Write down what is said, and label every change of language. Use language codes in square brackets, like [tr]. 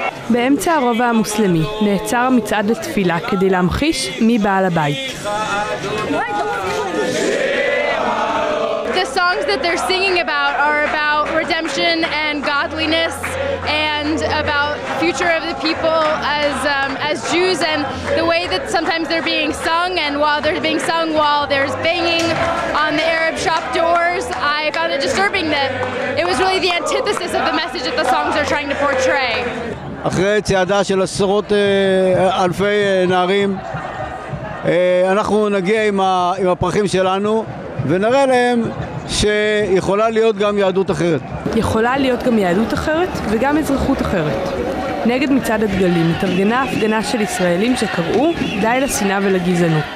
[he] באמצע הרובע המוסלמי נעצר המצעד לתפילה כדי להמחיש מי בעל הבית. [en] The songs that they're singing about are about redemption and godliness and about future of the people as as Jews and the way that sometimes they're being sung and while they're being sung while there's banging on the Arab shop doors, I found it disturbing that it was really the antithesis of the message that the songs are trying to portray. [he] אחרי צעדה של עשרות אלפי נערים, אנחנו נגיע עם הפרחים שלנו ונראה להם שיכולה להיות גם יהדות אחרת. יכולה להיות גם יהדות אחרת וגם אזרחות אחרת. נגד מצד הדגלים התארגנה הפגנה של ישראלים שקראו די לשנאה ולגזענות.